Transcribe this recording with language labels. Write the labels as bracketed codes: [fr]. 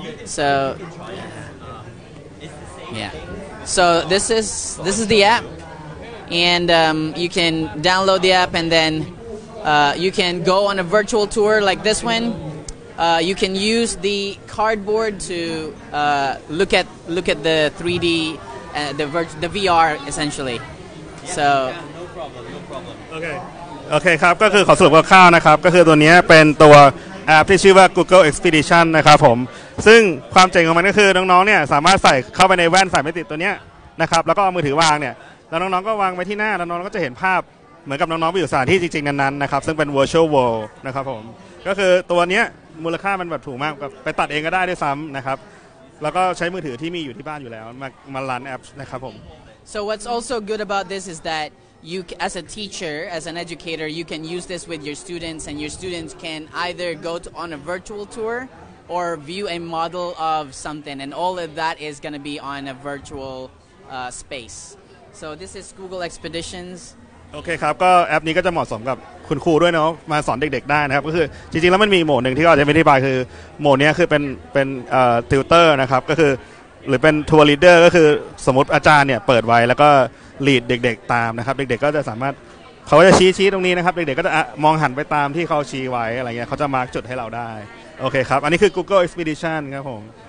[en] So, yeah. So this is the app. And you can download the app and then you can go on a virtual tour like this one. You can use the cardboard to look at the 3D. The VR essentially so no problem okay [th] ครับก็คือขอสรุปคร่าวๆนะครับก็คือตัวนี้เป็นตัวแอปที่ชื่อว่า Google Expedition นะครับผมซึ่งความเจ๋งของมันก็คือน้องๆเนี่ยสามารถใส่เข้าไปในแว่นสายมิติตัวนี้นะครับแล้วก็เอามือถือวางเนี่ยแล้วน้องๆก็วางไว้ที่หน้าแล้วน้องก็จะเห็นภาพเหมือนกับน้องๆไปอยู่สถานที่จริงๆนั้นๆนะครับซึ่งเป็น virtual world นะครับผมก็คือตัวนี้มูลค่ามันแบบถูกมากไปตัดเองก็ได้ด้วยซ้ํานะครับแล้วก็ใช้มือถือที่มีอยู่ที่บ้านอยู่แล้วมาลันแอปนะครับผม [en] So what's also good about this is that you as a teacher as an educator you can use this with your students and your students can either go on a virtual tour or view a model of something and all of that is going to be on a virtual space So this is Google Expeditions [th] โอเคครับก็แอปนี้ก็จะเหมาะสมกับคุณครูด้วยเนาะมาสอนเด็กๆได้นะครับก็คือจริงๆแล้วมันมีโหมดหนึ่งที่อาจจะไม่ได้บายคือโหมดนี้คือเป็นติวเตอร์นะครับก็คือหรือเป็นทัวร์ลีดเดอร์ก็คือสมมติอาจารย์เนี่ยเปิดไว้แล้วก็ลีดเด็กๆตามนะครับเด็กๆก็จะสามารถเขาก็จะชี้ๆตรงนี้นะครับเด็กๆก็จะมองหันไปตามที่เขาชี้ไว้อะไรเงี้ยเขาจะมาร์กจุดให้เราได้โอเคครับอันนี้คือ Google Expedition ครับผม